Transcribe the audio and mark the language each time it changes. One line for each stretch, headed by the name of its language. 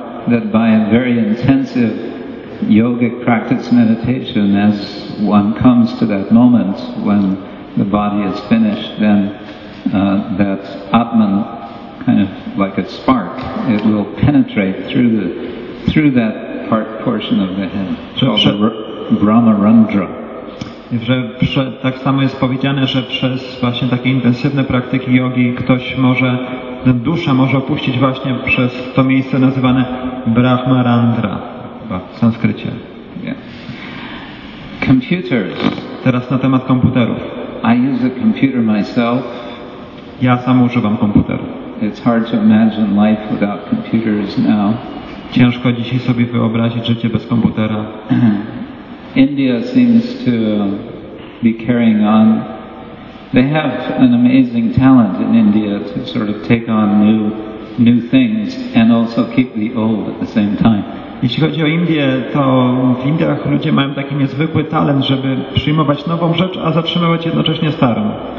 English: That by a very intensive yogic practice meditation, as one comes to that moment when the body is finished, then that atman, kind of like a spark, it will penetrate through that part portion of the head.
Sanskrit: Brahmarandra.
Polish: Że tak samo jest powiedziane, że przez właśnie takie intensywne praktyki jogi ktoś może, dusza może opuścić właśnie przez to miejsce nazywane Brahmarandra w sanskrycie.
English: Computers.
Polish: Teraz na temat komputerów.
English: I use a computer myself.
Polish: Ja sam używam komputeru.
English: It's hard to imagine life without computers now.
Polish: Ciężko dzisiaj sobie wyobrazić życie bez komputera.
English: India seems to be carrying on. They have an amazing talent in India to sort of take on new things and also keep the old at the same time.
Polish: Jeśli chodzi o Indię, to w Indiach ludzie mają taki niezwykły talent, żeby przyjmować nową rzecz, a zatrzymywać jednocześnie starą.